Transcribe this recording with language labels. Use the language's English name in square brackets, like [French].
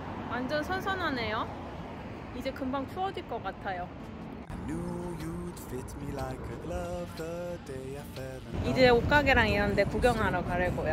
[Korean] 완전 선선하네요. 이제 금방 추워질 것 같아요. [English] I knew you'd fit me like a glove the day I fell in love. [Korean] 이제 옷가게랑 이런데 구경하러 가려고요.